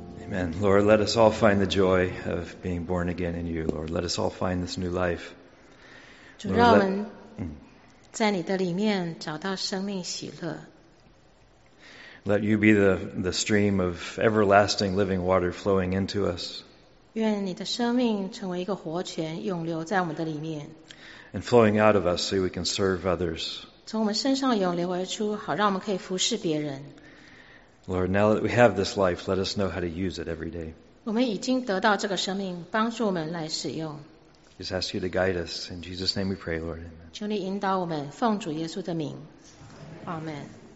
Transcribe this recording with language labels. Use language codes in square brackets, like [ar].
[en] let us all find the joy of being born again in you, Lord. Let us all find this new life. [zh] 主让我们在你的里面找到生命喜乐。 [en] Let you be the stream of everlasting living water flowing into us. [zh] 愿你的生命成为一个活泉，涌流在我们的里面。 [en] And flowing out of us, so we can serve others. [zh] 从我们身上涌流而出，好让我们可以服侍别人。 [en] Lord, now that we have this life, let us know how to use it every day. [zh] 我们已经得到这个生命，帮助我们来使用。 [en] Just ask you to guide us. In Jesus' name we pray, Lord. Amen. [zh] 求你引导我们，奉主耶稣的名。Amen.